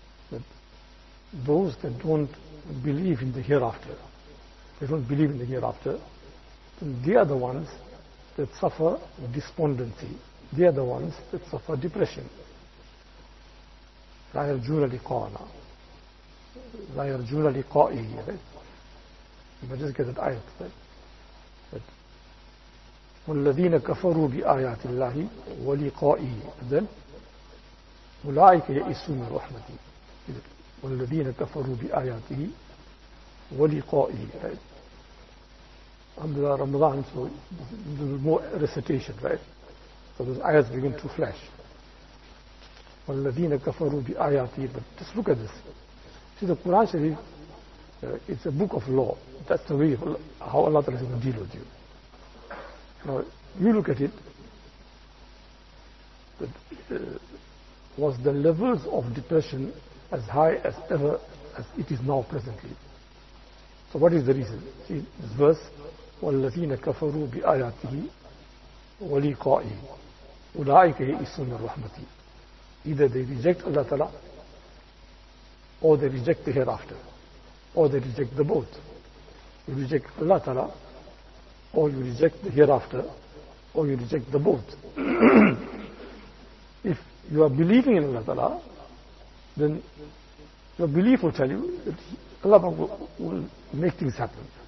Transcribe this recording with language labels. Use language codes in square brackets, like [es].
[en] that those that don't believe in the hereafter, they don't believe in the hereafter, then they are the ones that suffer despondency. They are the ones that suffer depression. [ar] لا يرجون لقاء لا يرجون لقائه. [en] But just get that ayat, right? [ar] والذين كفروا بآيات الله ولقائه. [en] Then [ar] أولئك يئسون من رحمتي. والذين كفروا بآياته ولقائه. [en] Under Ramadan, so there's more recitation, right? So those ayats begin to flash. [ar] وَالَّذِينَ كَفَرُوا بِآيَاتِهِ. [en] But just look at this. See, the Quran Sharif, it's a book of law. That's the way of how Allah is going to deal with you. Now, you look at it, that, was the levels of depression as high as ever as it is now presently? So what is the reason? See, this verse, [ar] وَالَّذِينَ كَفَرُوا بِآيَاتِهِ وَلِقَائِهِ أُولَٰئِكَ يَئِسُوا مِن رَحْمَتِي. [en] Either they reject Allah Ta'ala, or they reject the hereafter, or they reject the both. You reject Allah Ta'ala, or you reject the hereafter, or you reject the both. If you are believing in Allah Ta'ala, then your belief will tell you that Allah will make things happen.